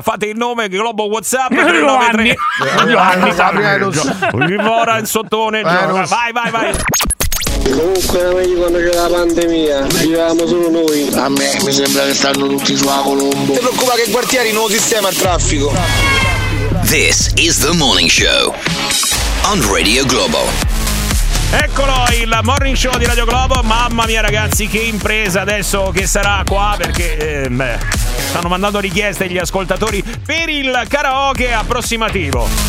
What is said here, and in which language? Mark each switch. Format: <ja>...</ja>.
<it>Fate il nome, globo, WhatsApp. 393. Ora il sottone. Vai. Comunque era meglio quando c'era la pandemia, vivevamo solo noi. A me mi sembra che stanno tutti sulla Colombo. Ti preoccupa che quartieri, nuovo sistema al traffico.</it> <en>This is the morning show on Radio Globo.</en> <it>Eccolo il morning show di Radio Globo. Mamma mia, ragazzi, che impresa adesso che sarà qua, perché stanno mandando richieste gli ascoltatori per il karaoke approssimativo.</it>